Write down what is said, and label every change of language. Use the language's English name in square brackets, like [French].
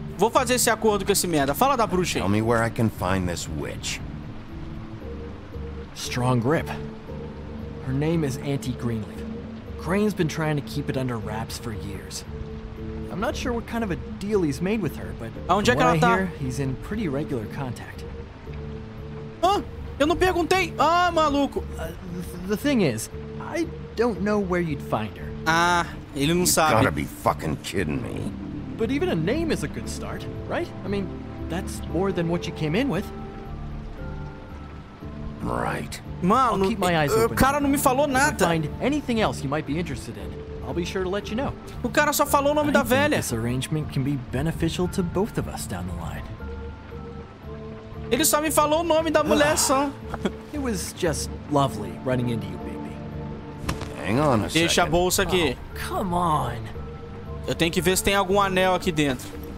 [Portuguese] Vou fazer esse acordo com esse merda, fala da bruxa aí. [English] Tell me where I can find this witch. Strong grip. Her name is Auntie Greenleaf. Crane's been trying to keep it under wraps for years. I'm not sure what kind of a deal he's made with her, but [Portuguese] aonde é que ela tá? [English] Hear, he's in pretty regular contact. [Portuguese] Eu não perguntei. Maluco. [English] The thing is, I don't know where you'd find her. [Portuguese] Ele não sabe. [English] You gotta be fucking kidding me. But even a name is a good start, right? I mean, that's more than what you came in with. Right. [Portuguese] Mano, [English] keep my eyes open. [Portuguese] O cara não me falou nada. [English] If you find anything else you might be interested in, I'll be sure to let you know. [Portuguese] O cara só falou o nome [English] I [Portuguese] da velha. [English] I think this arrangement can be beneficial to both of us down the line. [Portuguese] Ele só me falou o nome da mulher, só. [English] It was just lovely running into you, baby. Hang on a second. [Portuguese] Deixa a bolsa aqui. [English] Oh, come on. [Portuguese] Eu tenho que ver se tem algum anel aqui dentro.